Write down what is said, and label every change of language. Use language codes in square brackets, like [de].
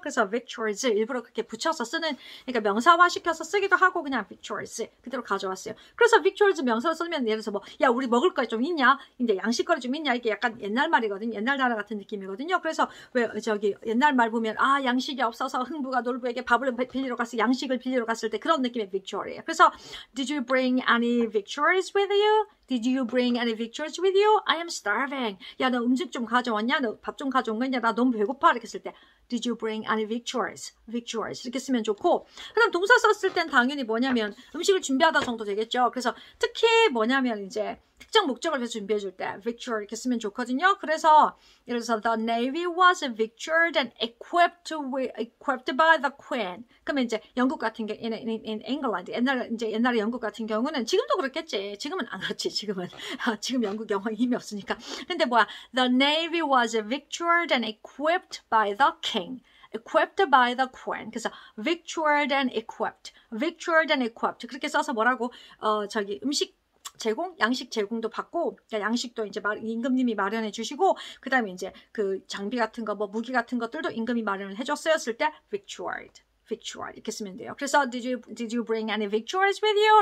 [ko] 그래서 Victuals 일부러 그렇게 붙여서 쓰는, 그러니까 명사화 시켜서 쓰기도 하고 그냥 Victuals 그대로 가져왔어요. 그래서 Victuals 명사로 쓰면 예를 들어서 뭐, 야, 우리 먹을 거 좀 있냐? 이제 양식거리 좀 있냐? 이게 약간 옛날 말이거든요. 옛날 나라 같은 느낌이거든요. 그래서 왜 저기 옛날 말 보면 아, 양식이 없어서 흥부가 놀부에게 밥을 빌리러 갔을, 양식을 빌리러 갔을 때 그런 느낌의 victual이에요. 그래서 [en] Did you bring any victuals with you? Did you bring any victuals with you? I am starving. [ko] 야, 너 음식 좀 가져왔냐? 너 밥 좀 가져온 거 있냐? 나 너무 배고파. 이렇게 쓸 때 [en] Did you bring any victuals? [ko] Victuals 이렇게 쓰면 좋고, 그럼 동사 썼을 땐 당연히 뭐냐면 음식을 준비하다 정도 되겠죠. 그래서 특히 뭐냐면 이제 특정 목적을 위해서 준비해 줄 때 victual 이렇게 쓰면 좋거든요. 그래서 예를 들어서 [en] The Navy was victualed and equipped by the Queen. [ko] 그러면 이제 영국 같은 게 [en] in England, [ko] 옛날에 영국 같은 경우는 지금도 그렇겠지. 지금은 안 그렇지. 지금은 지금 영국 영화 힘이 없으니까. 근데 뭐야? [en] The Navy was victualed and equipped by the King. Equipped by the Queen. [ko] 그래서 [en] victualed and equipped. Victualed and equipped. [ko] 그렇게 써서 뭐라고? 저기 음식 제공, 양식 제공도 받고, 그러니까 양식도 이제 임금님이 마련해 주시고, 그 다음에 이제 그 장비 같은 거, 뭐 무기 같은 것들도 임금이 마련을 해줬어요. 쓸 때 victualed, victual 이렇게 쓰면 돼요. 그래서 [en] did you bring any victuals with you?